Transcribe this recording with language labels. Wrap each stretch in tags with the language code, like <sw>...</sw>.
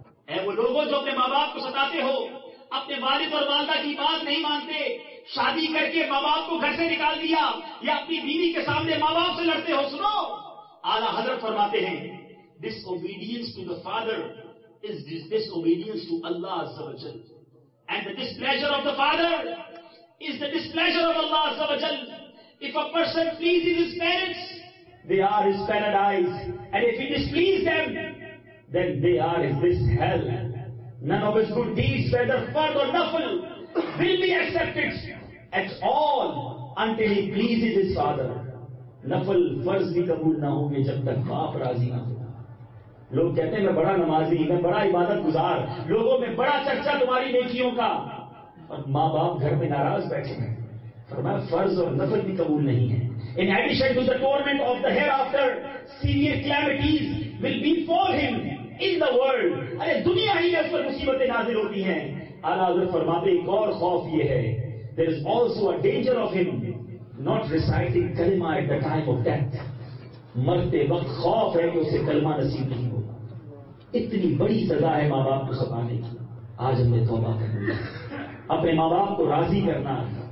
<ur>اے وہ لوگوں جو اپنے ماں باپ کو ستاتے ہو، اپنے والد اور والدہ کی بات نہیں مانتے، شادی کر کے ماں باپ کو گھر سے نکال دیا، یا اپنی بیوی کے سامنے ماں باپ سے لڑتے ہو، سنو، اعلی حضرت فرماتے ہیں،</ur> <en>disobedience to the father is this disobedience to Allah</en> <ur>عز و جل.</ur> <en>And the displeasure of the father is the displeasure of Allah عز و جل. If a person pleases his parents, they are his paradise. And if he displeases them, then they are in this hell. None of his good deeds, whether fard or nafl, will be accepted at all until he pleases his father.</en> <ur>Nafl, farz bhi kabool na honge jab tak baap raazi na ho. لوگ کہتے ہیں میں بڑا نمازی، میں بڑا عبادت گزار، لوگوں میں بڑا چرچا تمہاری نیکیوں کا، اور ماں باپ گھر میں ناراض بیٹھے ہیں. فرمایا فرض اور نفل بھی قبول نہیں ہے.</ur> <en>In addition to the torment of the hereafter, severe calamities will befall him in the world,</en> <ur>ارے دنیا ہی اس پر مصیبتیں نازل ہوتی ہیں. اعلیٰ حضرت فرماتے ایک اور خوف یہ ہے،</ur> <en>there is also a danger of hmm not reciting کلمہ at the time of death,</en> <ur>مرتے وقت خوف ہے کہ اسے کلمہ نصیب نہیں ہوگا. اتنی بڑی سزا ہے ماں باپ کو خپانے کی. آج ہم نے توبہ کر لیا، اپنے ماں باپ کو راضی کرنا.</ur>